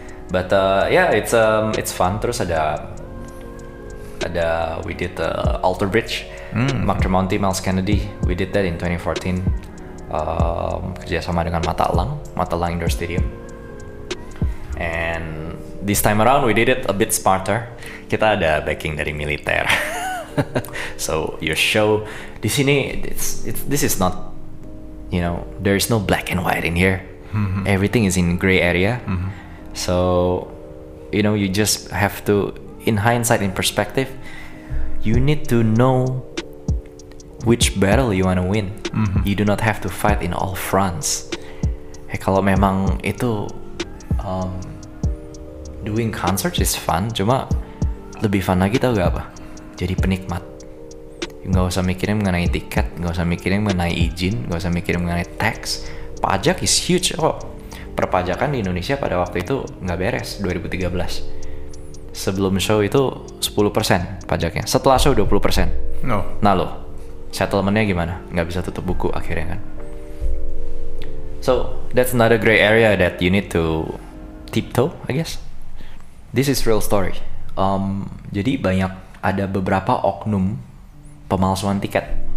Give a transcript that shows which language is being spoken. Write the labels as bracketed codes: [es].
[en] But it's fun. [id] Terus ada [en] we did the Alter Bridge. Mark Tremonti, Miles Kennedy. We did that in 2014. [id] Kerjasama dengan Mata Elang Indoor Stadium. [en] And this time around, we did it a bit smarter. [id] Kita ada backing dari militer. [en] So your show [id] di sini, [en] it's this is not, you know, there is no black and white in here. Mm-hmm. Everything is in gray area. Mm-hmm. So, you know, you just have to, in hindsight, in perspective, you need to know which battle you want to win. Mm-hmm. You do not have to fight in all fronts. [id] Hey, kalau memang itu [en] doing concerts is fun, [id] cuma lebih fun lagi tau gak apa? Jadi penikmat. Gak usah mikirin mengenai tiket, gak usah mikirin mengenai izin, gak usah mikirin mengenai tax. Pajak [en] is huge. [id] Oh, perpajakan di Indonesia pada waktu itu gak beres, 2013. Sebelum show itu 10% pajaknya, setelah show 20%. [en] No. [id] Nah lo, settlement-nya gimana? Gak bisa tutup buku akhirnya kan? [en] So, that's another gray area that you need to tiptoe, I guess. This is real story. [id] Jadi banyak ada beberapa oknum pemalsuan tiket.